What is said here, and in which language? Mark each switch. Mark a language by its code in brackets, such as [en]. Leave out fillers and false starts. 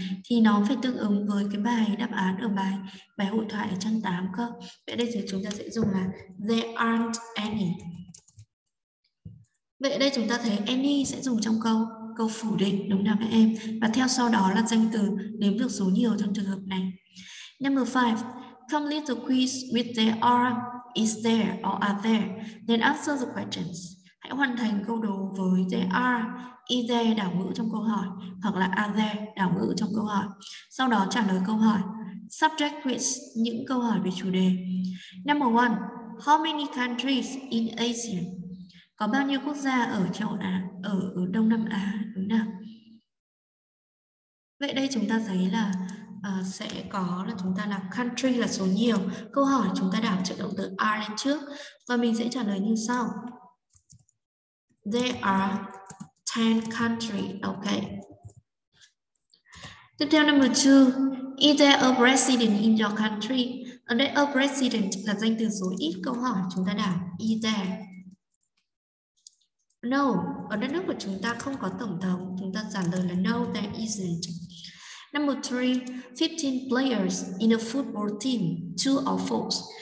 [vi] Thì nó phải tương ứng với cái bài đáp án ở bài hội thoại ở chương 8 cơ. Vậy đây thì chúng ta sẽ dùng là [en] there aren't any. [vi] Vậy đây chúng ta thấy any sẽ dùng trong câu phủ định, đúng nào các em? Và theo sau đó là danh từ đếm được số nhiều trong trường hợp này. [en] Number 5, complete the quiz with there are, is there or are there, then answer the questions. [vi] Hãy hoàn thành câu đố với there are, is there đảo ngữ trong câu hỏi, hoặc là are there đảo ngữ trong câu hỏi. Sau đó trả lời câu hỏi. [en] Subject quiz, [vi] những câu hỏi về chủ đề. [en] Number 1, how many countries in Asia? [vi] Có bao nhiêu quốc gia ở châu Á, ở Đông Nam Á, đúng không? Vậy đây chúng ta thấy là sẽ có là chúng ta là country là số nhiều. Câu hỏi chúng ta đảo trợ động từ are lên trước và mình sẽ trả lời như sau. [en] There are 10 countries, okay. [vi] Tiếp theo [en] number 2, is there a president in your country? [vi] Ở đây a president là danh từ số ít, câu hỏi chúng ta đảo is there. No, ở đất nước của chúng ta không có tổng thống, chúng ta trả lời là [en] no, there isn't. Number 3, 15 players in a football team, true or false?